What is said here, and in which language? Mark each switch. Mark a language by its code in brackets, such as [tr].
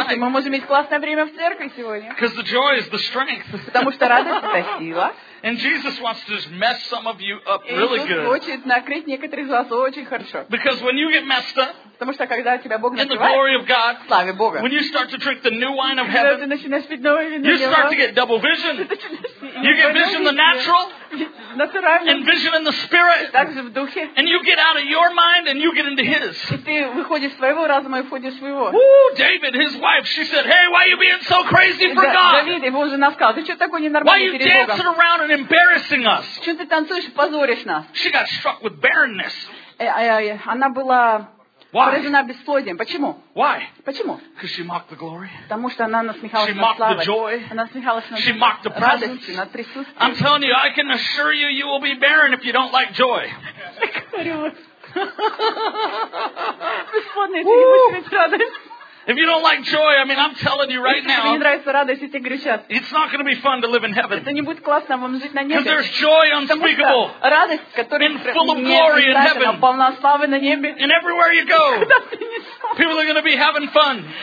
[ru] Давайте, мы можем иметь классное время в церкви сегодня. [en] Because the joy is the strength. [ru] Потому что радость это сила. [en] And Jesus wants to just mess some of you up really good. [ru] Иисус хочет накрыть некоторых из вас очень хорошо. [en] Because when you get messed up, [ru] потому что когда тебя Бог накрывает, [en] in the glory of God, [ru] славе Бога, [en] when you start to drink the new wine of heaven, [ru] когда ты начинаешь пить новое вино, [en] you start to get double vision. You get vision in the natural, and vision in the spirit, [ru] также в духе, [en] and you get out of your mind and you get into His. [ru] И ты выходишь своего разума и входишь своего. [en] Woo, David, his wife, she said, "Hey, why are you being so crazy for God? [ru] Давид, его жена сказала, ты что такой ненормальный перед Богом? [en] Why are you dancing around and embarrassing us? [ru] Чем ты танцуешь и позоришь нас?" [en] She got struck with barrenness. [ru] Она была поражена бесплодием. Почему? [en] Why? [ru] Почему? [en] Because she mocked the glory. [ru] Потому что она насмехалась над славой. [en] The joy. [ru] Она насмехалась над [en] she mocked the [ru] радостью, над присутствием. [en] I'm telling you, I can assure you, you will be barren if you don't like joy. [ru] Бесплодная, ты не будешь радость. [en] If you don't like joy, I mean, I'm telling you right now, it's not going to be fun to live in heaven. Because there's joy unspeakable and full of glory in heaven. And everywhere you go, people are going to be having fun.